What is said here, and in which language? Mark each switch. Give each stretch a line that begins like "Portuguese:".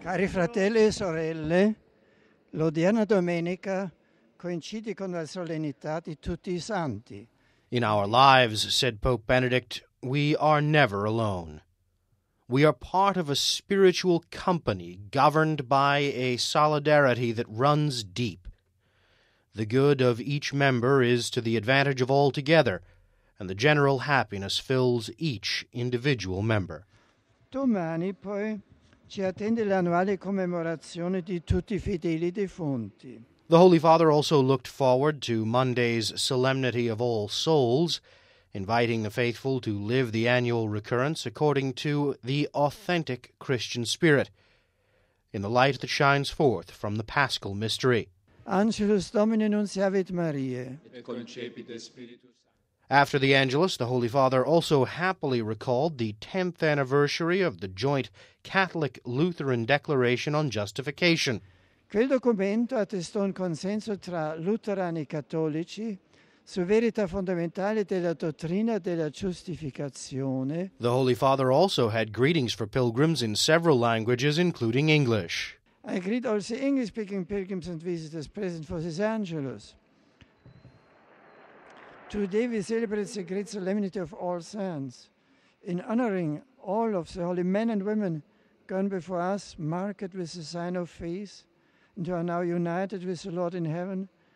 Italian: Cari fratelli e sorelle, l'odierna domenica coincide con la solennità di tutti i santi.
English: In our lives, said Pope Benedict, we are never alone. We are part of a spiritual company governed by a solidarity that runs deep. The good of each member is to the advantage of all together, and the general happiness fills each individual member.
Italian: Domani, poi, ci attende l'annuale commemorazione di tutti i fedeli defunti.
English: The Holy Father also looked forward to Monday's Solemnity of All Souls, inviting the faithful to live the annual recurrence according to the authentic Christian spirit, in the light that shines forth from the Paschal mystery.
Latin: Angelus Domini nunciavit Mariae. Et concepit Spiritus.
English: After the Angelus, the Holy Father also happily recalled the 10th anniversary of the joint Catholic-Lutheran Declaration on Justification.
Italian: Quel documento attestò un consenso tra luterani e cattolici su verità fondamentale della dottrina della giustificazione.
English: The Holy Father also had greetings for pilgrims in several languages, including English. I greet all the English-speaking pilgrims and visitors present for this Angelus. Today we celebrate the great solemnity of All Saints, in honoring all of the holy men and women gone before us, marked with the sign of faith, and who are now united with the Lord in heaven.